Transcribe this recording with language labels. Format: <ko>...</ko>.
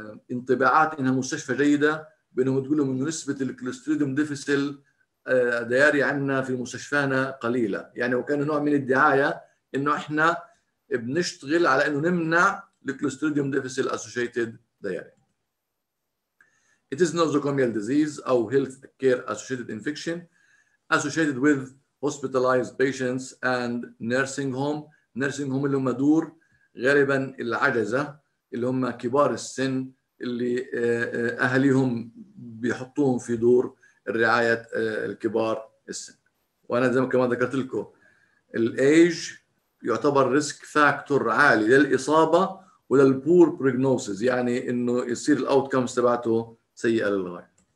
<ar>انطباعات أنها مستشفى جيدة، بأنهم تقولوا أنه نسبة الكلستريديوم ديفيسيل دياري عندنا في مستشفانا قليلة، يعني وكان نوع من الدعاية انه احنا بنشتغل على انه نمنع الكلستريديوم ديفيسيل اسوشيتد دياري.</ar> <en>It is nosocomial disease او health care associated infection associated with hospitalized patients and nursing home.</en> <ar>nursing home اللي هم دور غالبا العجزة اللي هم كبار السن اللي اهليهم بيحطوهم في دور الرعاية الكبار السن. وأنا زي ما كما ذكرت لكم الايج يعتبر ريسك فاكتور عالي للإصابة وللبور بروجنوسيس، يعني إنه يصير الأوتكمز تبعته سيئة للغاية.</ar>